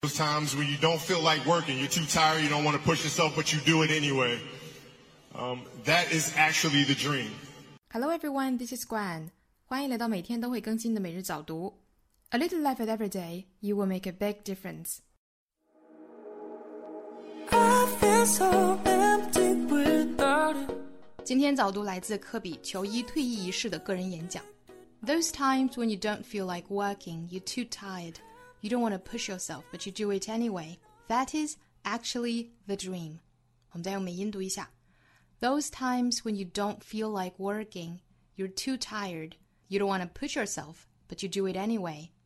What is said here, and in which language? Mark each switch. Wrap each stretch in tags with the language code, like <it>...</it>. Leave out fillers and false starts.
<en>Those times when you don't feel like working, you're too tired, you don't want to push yourself, but you do it anyway. That is actually the dream. Hello everyone, this is Gwen.</en> <zh>欢迎来到每天都会更新的每日早读。</zh> <en>A little life at every day, you will make a big difference. I feel so empty without it.</en> <zh>今天早读来自科比球衣退役仪式的个人演讲。</zh> <en>Those times when you don't feel like working, you're too tired. You don't want to push yourself, but you do it anyway. That is actually the dream.</en> <zh>我们再用美音读一下。</zh> <en>Those times when you don't feel like working, you're too tired. You don't want to push yourself, but you do it anyway.</en>